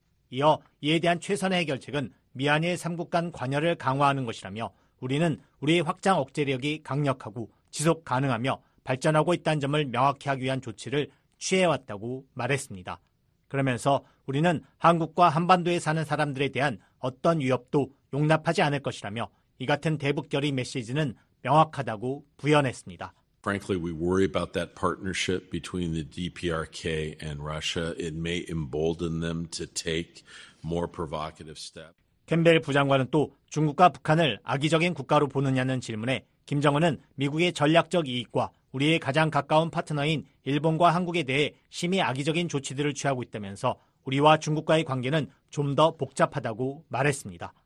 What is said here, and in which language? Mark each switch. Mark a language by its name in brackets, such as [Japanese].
[Korean] 이어 이에 대한 최선의 해결책은 미한일 3국 간 관여를 강화하는 것이라며 우리는 우리의 확장 억제력이 강력하고 지속 가능하며 발전하고 있다는 점을 명확히 하기 위한 조치를 취해왔다고 말했습니다. 그러면서 우리는 한국과 한반도에 사는 사람들에 대한 어떤 위협도 용납하지 않을 것이라며 이 같은 대북결의 메시지는 명확하다고 부연했습니다. [English] Frankly, we worry about that partnership between the DPRK and Russia. It may embolden them to take more provocative steps. [Korean] 캠벨 부장관은 또 중국과 북한을 악의적인 국가로 보느냐는 질문에 김정은은 미국의 전략적 이익과 우리의 가장 가까운 파트너인 일본과 한국에 대해 심히 악의적인 조치들을 취하고 있다면서 우리와 중국과의 관계는 좀 더 복잡하다고 말했습니다.